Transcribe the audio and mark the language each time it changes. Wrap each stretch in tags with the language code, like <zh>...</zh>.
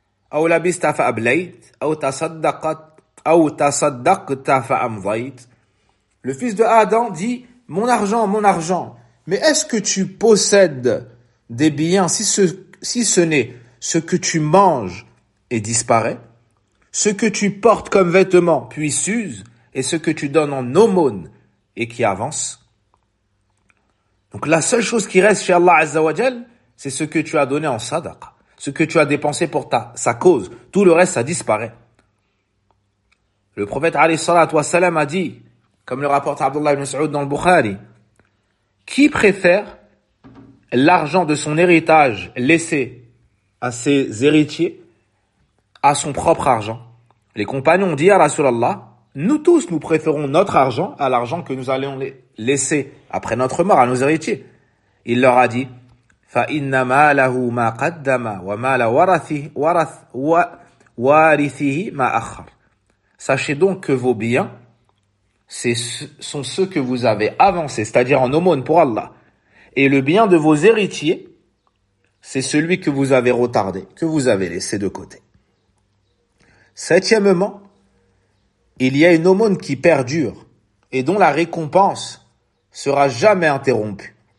<ar>أو لبست فأبليت أو تصدقت أو تصدقت فأمضيت.</ar> <fr>Le fils de Adam dit, mon argent, mais est-ce que tu possèdes des biens si ce n'est ce que tu manges et disparaît, ce que tu portes comme vêtements puis s'use, et ce que tu donnes en aumône et qui avance. Donc la seule chose qui reste chez Allah Azza wa Jal, c'est ce que tu as donné en sadaqa. Ce que tu as dépensé pour sa cause, tout le reste, ça disparaît. Le prophète, alayhi salatu wassalam, a dit, comme le rapporte Abdullah ibn Saoud dans le Bukhari, qui préfère l'argent de son héritage laissé à ses héritiers à son propre argent? Les compagnons ont dit à Rasulallah, nous tous, nous préférons notre argent à l'argent que nous allons laisser après notre mort à nos héritiers. Il leur a dit,</fr> <ar>فَإِنَّ مَالَهُ مَا قَدَّمَ وَمَالَ وَارِثِهِ مَا أَخَّرَ.</ar> <fr>Sachez donc que vos biens sont ceux que vous avez avancés, c'est-à-dire en aumône pour Allah. Et le bien de vos héritiers, c'est celui que vous avez retardé, que vous avez laissé de côté. Septièmement, il y a une aumône qui perdure et dont la récompense sera jamais interrompue.</fr>